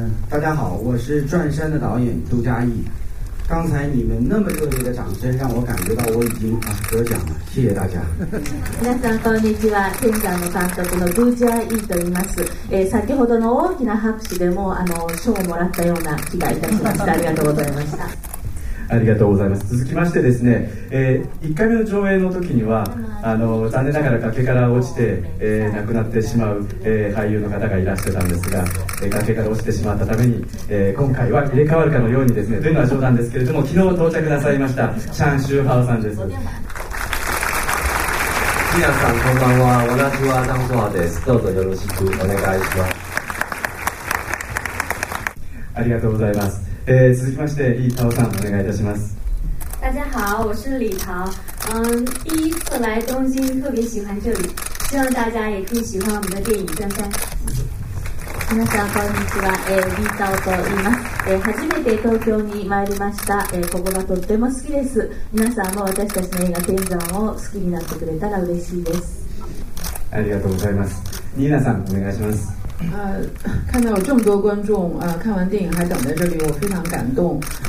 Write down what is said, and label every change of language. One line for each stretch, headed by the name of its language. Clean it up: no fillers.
Chinese: 大家好、我是转山的导演杜佳毅。刚才你们那么热烈的掌声让我感觉到我已经得奖了，谢谢大家。
Japanese: 皆さんこんにちは、天山の監督のドゥー・チャイと言います。先ほどの大きな拍手でも賞をもらったような気がいたしました。ありがとうございました。ありがとうございます。続きましてですね、1回目の上映の時には残念ながら崖から落ちて、亡くなってしまう、俳優の方がいらしてたんですが、崖から落ちてしまったために、今回は入れ替わるかのようにですねというのは冗談ですけれども、昨日到着なさいましたチャン・シューハオさんです。皆さんこんばんは、私はダンソワです。どうぞよろしくお願いします。ありがとうございます。続きましてリー・タオさんお願いいたします。
Chinese: 大家好，我是李桃。第一次来东京，特别喜欢这里，希望大家也可以喜欢我们的电影《转山》。
Japanese: 皆さんこんにちは、リー・タオと言います。初めて東京に参りました。ここがとっても好きです。皆さんも私たちの映画天山を好きになってくれたら嬉しいです。ありがとうございます。ニーナさんお願いします。
Chinese: 看到这么多观众看完电影还等在这里，我非常感动。